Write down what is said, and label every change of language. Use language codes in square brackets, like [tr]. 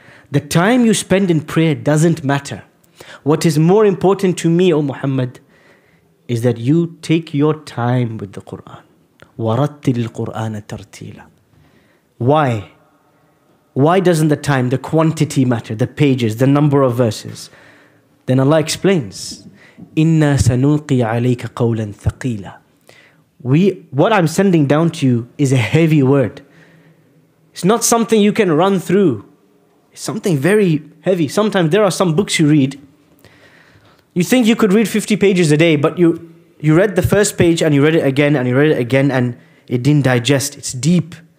[en] The time you spend in prayer doesn't matter. What is more important to me, O Muhammad, is that you take your time with the Qur'an. [ar] وَرَتِّلِ الْقُرْآنَ تَرْتِيلًا. [en] Why? Why doesn't the time, the quantity matter, the pages, the number of verses? Then Allah explains, [ar] إِنَّا سَنُلْقِي عَلَيْكَ قَوْلًا ثَقِيلًا. [en] What I'm sending down to you is a heavy word. It's not something you can run through. It's something very heavy. Sometimes there are some books you read, you think you could read 50 pages a day, but you read the first page and you read it again and you read it again and it didn't digest. It's deep.